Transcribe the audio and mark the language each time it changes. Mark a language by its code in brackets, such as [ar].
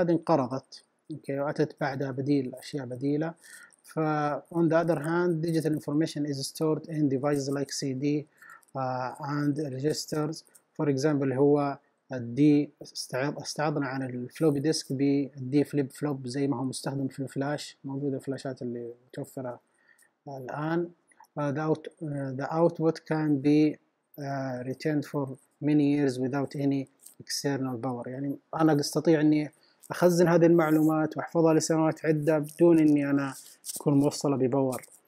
[ar] هذه انقرضت، اوكي، واتت بعدها بديل، اشياء بديله. [en] ف on the other hand digital information is stored in devices like cd and registers. for example [ar] هو الدي، استعضنا عن الفلوبي ديسك بالدي فليب فلوب زي ما هو مستخدم في الفلاش، موجوده الفلاشات اللي متوفره الان. [en] the output can be returned for many years without any external power، [ar] يعني أنا أستطيع أني أخزن هذه المعلومات وأحفظها لسنوات عدة بدون أني أنا أكون موصلة بباور.